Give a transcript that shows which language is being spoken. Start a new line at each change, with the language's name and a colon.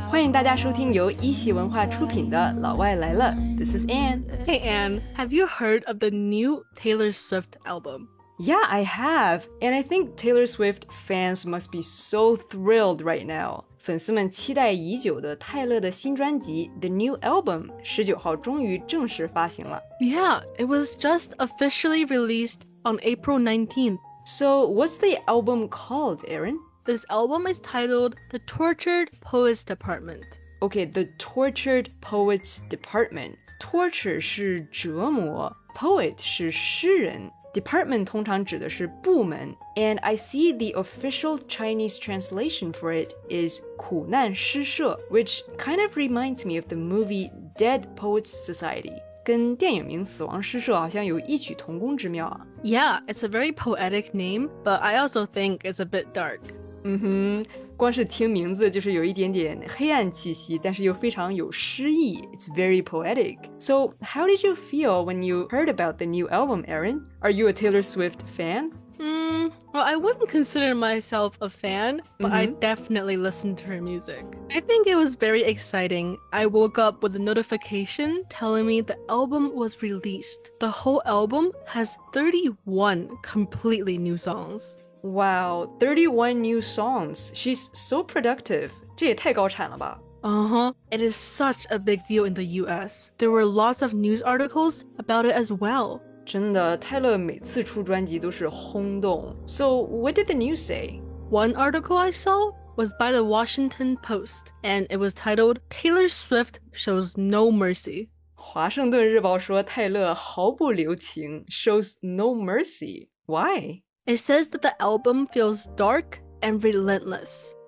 Chinese: 欢迎大家收听由一席文化出品的《老外来了》。
English: This is Anne. Hey Anne, have you heard of the new Taylor Swift album? Yeah, I have. And I think Taylor Swift fans must be so thrilled right now.
Chinese: 粉丝们期待已久的泰勒的新专辑 The New Album 19号终于正式发行了。
English: Yeah, it was just officially released on April 19th. So, what's the album called, Erin? This album is titled The Tortured Poets Department. Okay, The Tortured Poets Department. Torture
Chinese: 是折磨
English: ,Poet
Chinese: 是诗人
English: ,Department
Chinese: 通常指的是部门
English: ,and I see the official Chinese translation for it is
Chinese: 苦难诗社
English: ,which kind of reminds me of the movie Dead Poets Society.
Chinese: 跟电影名死亡诗社好像有异曲同工之妙啊。
English: Yeah, it's a very poetic name, but I also think it's a bit dark.
Chinese: 嗯哼，光是听名字就是有一点点黑暗气息，但是又非常有诗意。
English: It's very poetic. So, how did you feel when you heard about the new album, Erin? Are you a Taylor Swift fan? Well, I wouldn't consider myself a fan, but I definitely listened to her music. I think it was very exciting. I woke up with a notification telling me the album was released. The whole album has 31 completely new songs. Wow, 31 new songs. She's so productive.
Chinese: 这也太高产了吧。
English: It is such a big deal in the US. There were lots of news articles about it as well.
Chinese: 真的，泰勒每次出专辑都是轰动。
English: So, what did the news say? One article I saw was by the Washington Post, and it was titled, Taylor Swift Shows No Mercy.
Chinese: 华盛顿日报说泰勒毫不留情
English: shows no mercy. Why? It says that the album feels dark and relentless.